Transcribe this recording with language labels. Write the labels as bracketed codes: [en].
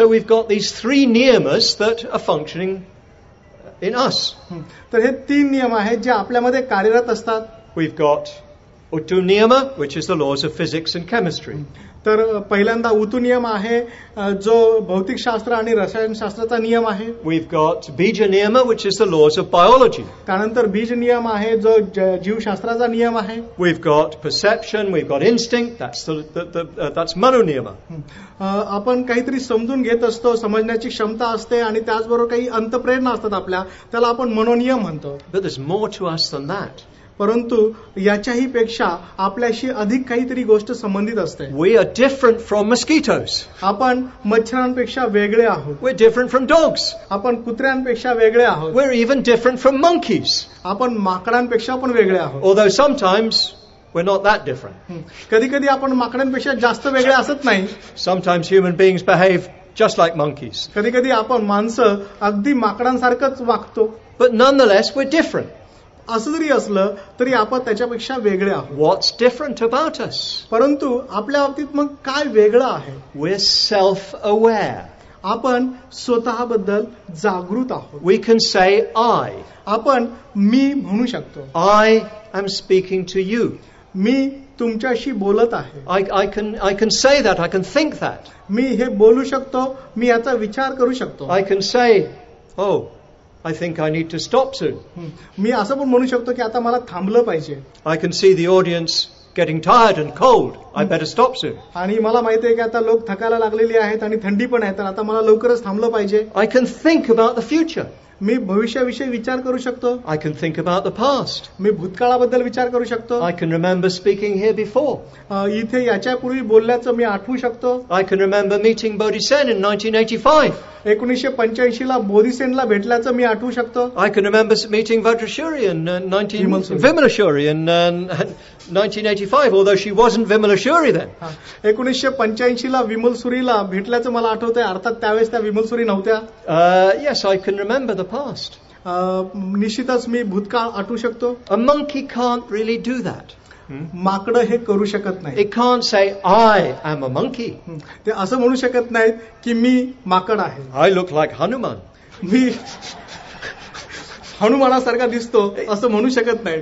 [en] So we've got these three niyamas that are functioning in us. [mr] तर हे तीन नियम आहेत जे आपल्यामध्ये कार्यरत असतात. [en] We've got utu niyama, which is the laws of physics and chemistry. [mr] तर पहिल्यांदा उतु नियम आहे जो भौतिक शास्त्र आणि रसायन शास्त्राचा नियम आहे. [en] We've got बीज नियम, which is the laws of biology. [mr] त्यानंतर बीज नियम आहे जो जीवशास्त्राचा नियम आहे. [en] We've got perception, we've got instinct, that's manoniyama. [mr] आपण काहीतरी समजून घेत असतो समजण्याची क्षमता असते आणि त्याचबरोबर काही अंतप्रेरणा असतात आपल्या त्याला आपण मनोनियम म्हणतो. [en] But there's more to us than that. [mr] परंतु याच्याही पेक्षा आपल्याशी अधिक काहीतरी गोष्ट संबंधित असते. [en] We are different from mosquitoes. [mr] आपण मच्छरांपेक्षा वेगळे आहोत. [en] We are different from dogs. [mr] आपण कुत्र्यांपेक्षा वेगळे आहोत. [en] We are even different from monkeys. [mr] आपण माकडांपेक्षा पण वेगळे आहोत. [en] Although sometimes we're not that different. [mr] कधी कधी आपण माकडांपेक्षा जास्त वेगळे असत नाही. [en] Sometimes human beings behave just like monkeys. [mr] कधी कधी आपण माणसं अगदी माकडांसारखंच वागतो. [en] But nonetheless we're different. [mr] असं जरी असलं तरी आपण त्याच्यापेक्षा वेगळे आहोत. [en] What's different about us. [mr] परंतु आपल्या बाबतीत मग काय वेगळं आहे. [en] We are self aware. [mr] आपण स्वतःबद्दल जागृत आहोत. [en] We can say I. [mr] आपण मी म्हणू शकतो. [en] I am speaking to you. [mr] मी तुमच्याशी बोलत आहे. [en] I can say that. I can think that. [mr] मी हे बोलू शकतो. मी याचा विचार करू शकतो. [en] I can say हो I think I need to stop soon. [mr] मी असं पण म्हणू शकतो की आता मला थांबलं पाहिजे. [en] I can see the audience getting tired and cold. I better stop soon. [mr] आणि मला माहिती आहे की आता लोक थकायला लागलेले आहेत आणि थंडी पण आहे तर आता मला लवकरच थांबलं पाहिजे. [en] I can think about the future. [mr] मी भविष्याविषयी विचार करू शकतो. [en] I can think about the past. [mr] मी भूतकाळाबद्दल विचार करू शकतो. [en] I can remember speaking here before. [mr] इथे याच्यापूर्वी बोलल्याचं मी आठवू शकतो. [en] I can remember meeting Bodhi Sen in 1985. [mr] 1985 ला बोधी सेनला भेटल्याचं मी आठवू शकतो. [en] I can remember meeting Vatrashuri in 1985, although she wasn't Vimalashuri then. [mr] 1985 ला विमल सुरीला भेटल्याचं मला आठवतंय. अर्थात त्यावेळेस त्या विमल सुरी नव्हत्या. [en] Yes, I can remember the past. [mr] निश्चितच मी भूतकाळ आठवू शकतो. [en] A monkey can't really do that. [mr] माकड हे करू शकत नाही. [en] It can't say I am a monkey. [mr] ते असं म्हणू शकत नाहीत की मी माकड आहे. [en] I look like Hanuman. [mr] मी हनुमानासारखा दिसतो असं म्हणू शकत नाही.